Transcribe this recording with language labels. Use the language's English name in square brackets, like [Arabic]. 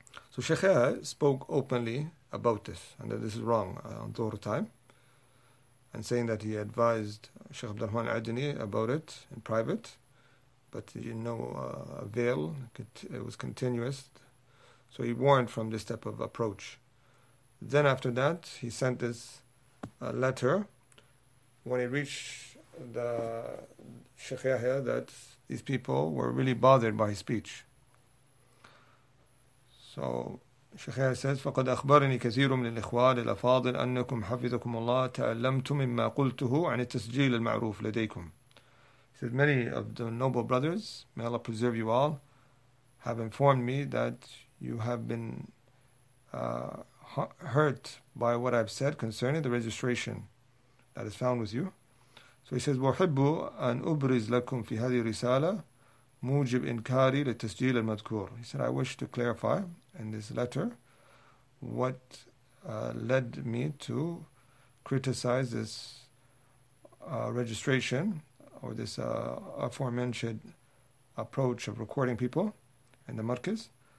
[English] So Sheikh spoke openly about this, and that this is wrong on Dhuhr time, and saying that he advised Sheikh Abdul Rahman Adini about it in private, but you know, avail, it was continuous. So he warned from this type of approach. Then after that, he sent this letter. When he reached the Sheikh Yahya, that these people were really bothered by his speech. So Sheikh Yahya says, [Arabic] فَقَدْ أَخْبَرَنِي كَثِيرٌ مِنَ الْإِخْوَانِ الْأَفَاضِلِ أَنَّكُمْ حَفِظَكُمُ اللَّهَ تَعَلَّمْتُ مِمَّا قُلْتُهُ عَنِ التَّسْجِيلِ الْمَعْرُوفِ لَدَيْكُمْ. [English] He says, many of the noble brothers, may Allah preserve you all, have informed me that you have been hurt by what I've said concerning the registration that is found with you. So he says, [Arabic] وَحِبُّ أَنْ أُبْرِزْ لَكُمْ فِي هَذِي رِسَالَةً مُوجِبْ إِنْكَارِي لِلتَسْجِيلِ الْمَذْكُورِ. [English] He said, I wish to clarify in this letter what led me to criticize this registration, or this aforementioned approach of recording people in the markets.